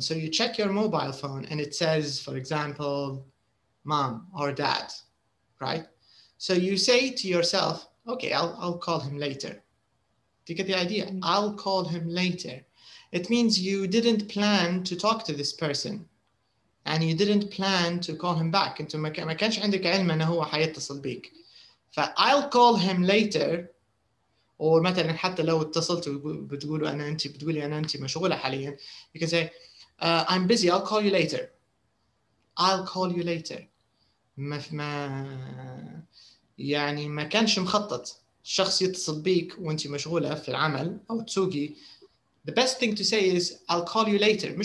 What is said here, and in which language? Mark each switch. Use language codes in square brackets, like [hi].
[en] So you check your mobile phone and it says, for example, mom or dad, right? So you say to yourself, okay, I'll call him later. Do you get the idea? I'll call him later. It means you didn't plan to talk to this person. and you didn't plan to call him back. [ar] انت ما كانش عندك علم انه هو حيتصل بيك. [en] ف I'll call him later. Or [ar] مثلا حتى لو اتصلت بتقولوا انا انت بتقولي انا انت مشغوله حاليا, [en] you can say I'm busy, I'll call you later. I'll call you later. [ar] ما يعني ما كانش مخطط شخص يتصل بيك وانت مشغوله في العمل او تسوقي. [en] The best thing to say is I'll call you later.